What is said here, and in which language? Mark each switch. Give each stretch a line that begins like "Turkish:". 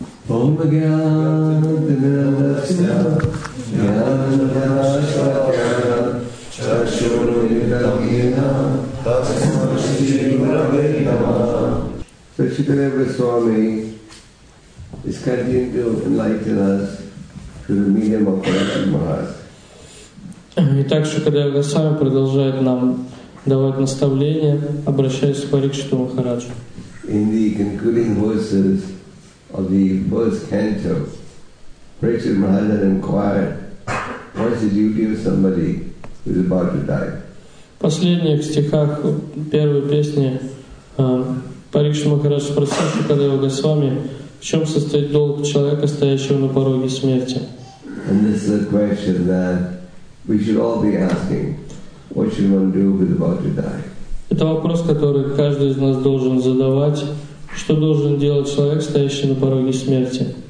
Sanskrit: Om Gyan Dhinadasya Gyan Dhyashakyan Chakshuru Yudham Yena Tatsumashti Gurave Nama.
English: So Shukadeva Swami is continuing to enlighten us through the medium of Parashat Maharaj.
Russian: Итак, Шукадева Госвами продолжает нам давать наставления, обращаясь к Парикшиту Махараджу.
English: In the concluding verses of the first canto, Parikshit Maharaj inquired, "What is the duty of somebody who is about to die?"
Russian: Последних стихах первой песни Парикшит Махарадж спросил Шукадева Госвами, в чем состоит долг человека, стоящего на пороге смерти.
English: And this is a question that we should all be asking: what should one do who is about to die?
Russian: Это вопрос, который каждый из нас должен задавать. Что должен делать человек, стоящий на пороге смерти?